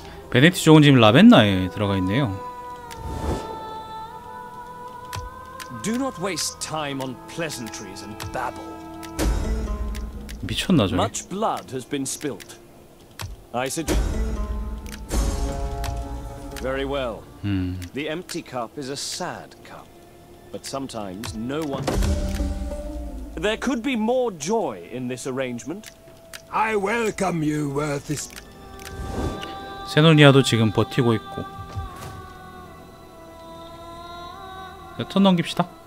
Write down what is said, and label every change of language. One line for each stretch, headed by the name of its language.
Korean: 베네티족은 지금 라벤나에 들어가 있네요.
English: Do not waste time on pleasantries and babble.
Korean: 미쳤나 저기.
English: Much blood has been spilt. I suggest. Very well. The empty cup is a sad cup, but sometimes no one. There could be more joy in this arrangement. I welcome you, worthy.
Korean: 세노니아도 지금 버티고 있고. 자, 턴 넘깁시다.